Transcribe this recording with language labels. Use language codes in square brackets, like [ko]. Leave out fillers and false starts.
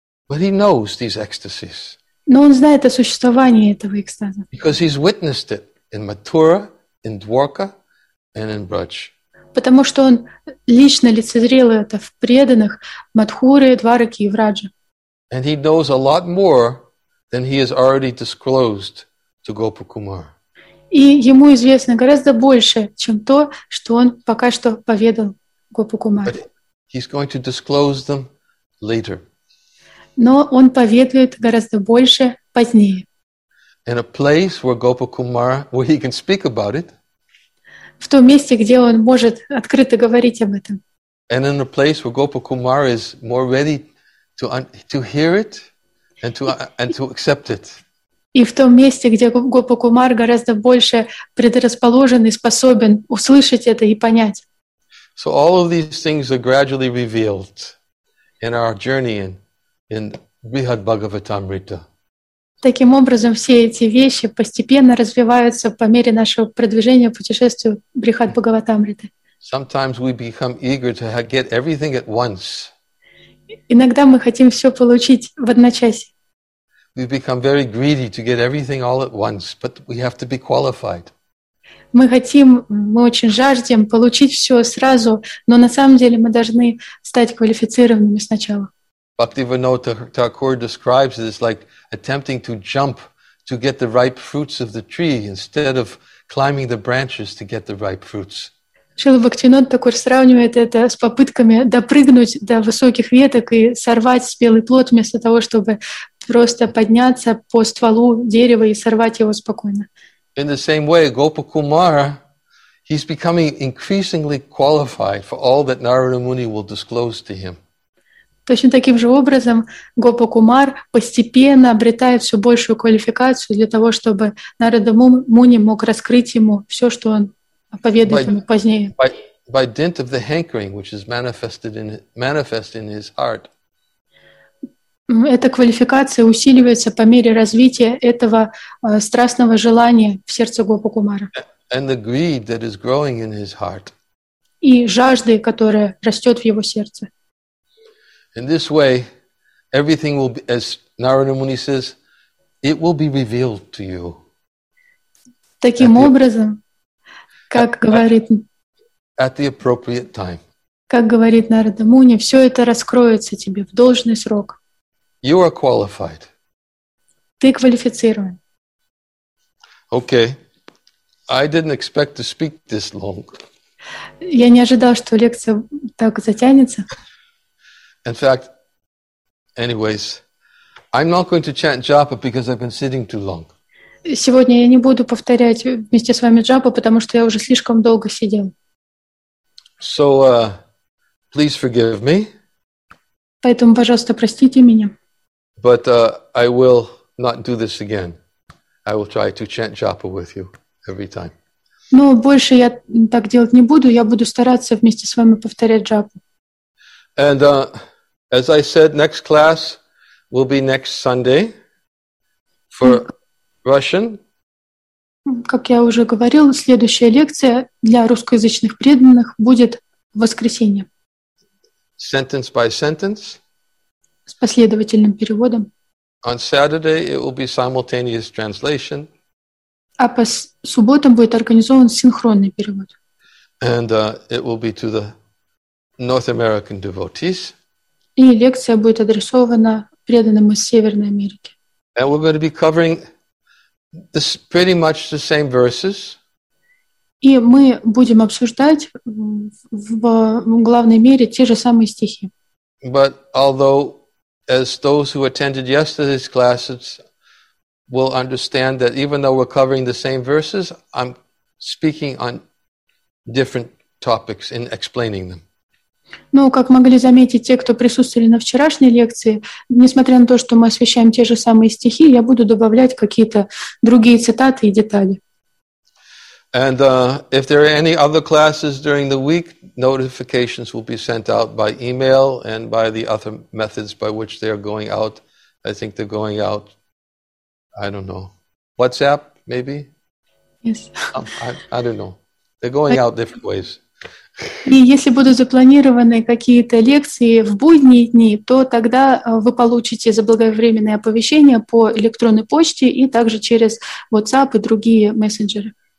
[en] But he knows these ecstasies. [ru] Но он знает о существовании этого экстаза. [en] Because he's witnessed it in Mathura, in Dwarka, and in Braj. [ru] Потому что он лично лицезрел это в преданных Мадхуры, Двараки и Враджи. [en] And he knows a lot more than he has already disclosed to Gopakumar. [ru] И ему известно гораздо больше, чем то, что он пока что поведал Гопакумару. [en] But he's going to disclose them later. [ru] Но он поведает гораздо больше позднее. [en] In a place where Gopakumara, where he can speak about it. [ru] В том месте, где он может открыто говорить об этом. [en] And in a place where Gopakumara is more ready to hear it and to accept it. [ru] И в том месте, где Гопакумар гораздо больше предрасположен и способен услышать это и понять. [en] So all of these things are gradually revealed in our journey in Brihad Bhagavatamrita. [ru] Таким образом, все эти вещи постепенно развиваются по мере нашего продвижения в путешествии Брихад Бхагаватамриты. [en] Sometimes we become eager to get everything at once. [ru] Иногда мы хотим все получить в одночасье. [en] We become very greedy to get everything all at once, but we have to be qualified. [ru] Мы очень жаждем получить все сразу, но на самом деле мы должны стать квалифицированными сначала. [en] Bhaktivinoda Thakur describes it as like attempting to jump to get the ripe fruits of the tree instead of climbing the branches to get the ripe fruits. [ru] Шрила Бхактивинода Такур сравнивает это с попытками допрыгнуть до высоких веток и сорвать спелый плод вместо того, чтобы просто подняться по стволу дерева и сорвать его спокойно. [en] In the same way, Gopa Kumara, he's becoming increasingly qualified for all that Narada Muni will disclose to him. [ru] Точно таким же образом Гопа Кумар постепенно обретает все большую квалификацию для того, чтобы Нарада Муни мог раскрыть ему все, что он поведает ему позднее. [en] By dint of the hankering, which is manifest in his heart. [ru] Эта квалификация усиливается по мере развития этого страстного желания в сердце Гопа Кумара. [en] And the greed that is growing in his heart. [ru] И жажды, которая растет в его сердце. [en] In this way, everything will be, as Narada Muni says, it will be revealed to you. [ru] Таким образом, как говорит, [en] at the appropriate time. [ru] Как говорит Нарада Муни, все это раскроется тебе в должный срок. [en] You are qualified. [ru] Ты квалифицирован. [en] Okay. I didn't expect to speak this long. [ru] Я не ожидал, что лекция так затянется. [en] In fact, anyways, I'm not going to chant japa because I've been sitting too long. [ru] Сегодня я не буду повторять вместе с вами джапу, потому что я уже слишком долго сидел. [en] So, please forgive me. [ru] Поэтому, пожалуйста, простите меня. [en] But I will not do this again. I will try to chant japa with you every time. [ru] Но больше я так делать не буду. Я буду стараться вместе с вами повторять джапу. [en] And as I said, next class will be next Sunday for Russian. [ru] Как я уже говорил, следующая лекция для русскоязычных преданных будет в воскресенье. [en] Sentence by sentence. [ru] С последовательным переводом. [en] On Saturday it will be simultaneous translation. [ru] А по субботам будет организован синхронный перевод. [en] And it will be to the North American devotees. [ru] И лекция будет адресована преданным из Северной Америки. [en] And we're going to be covering this pretty much the same verses. [ru] И мы будем обсуждать в главной мере те же самые стихи. [en] But although as those who attended yesterday's classes will understand that even though we're covering the same verses, I'm speaking on different topics in explaining them. [ru] Ну, как могли заметить те, кто присутствовали на вчерашней лекции, несмотря на то, что мы освещаем те же самые стихи, я буду добавлять какие-то другие цитаты и детали. [en] And if there are any other classes during the week, notifications will be sent out by email and by the other methods by which they are going out. I think they're going out, I don't know, WhatsApp, maybe? Yes. I don't know. They're going out different ways. [ru] И если будут запланированы какие-то лекции в будние дни, то тогда вы получите заблаговременное оповещение по электронной почте и также через WhatsApp и другие мессенджеры.